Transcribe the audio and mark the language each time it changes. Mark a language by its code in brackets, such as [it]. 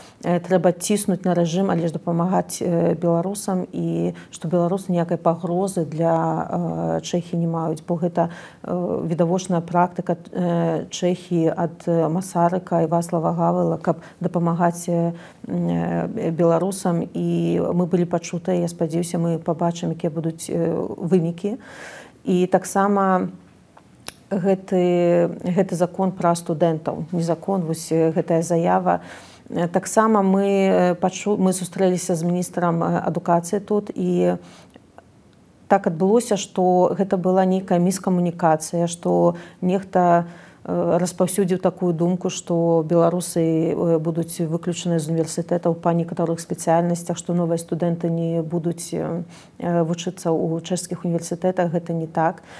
[be] Трэба ціснуць на рэжым, але ж дапамагаць беларусам, і што беларусы ніякай пагрозы для Чэхіі не маюць, бо гэта відавочная практыка Чэхіі ад Масарыка і Васлава Гавэла, каб дапамагаць беларусам, і мы былі пачутыя, я спадзяюся, мы пабачым, якія будуць вынікі. [ru] И так само гэты закон про студентов, не закон, вот эта заява. Так само мы встретились с министром адукации тут, и так отбылося, что это была некая мискоммуникация, что некто [be] распаўсюдзіў такую думку, што беларусы будуць выключаны з універсітэтаў па некаторых спецыяльнасцях, што новыя студэнты не будуць вучыцца ў чэшскіх універсітэтах. Гэта не так.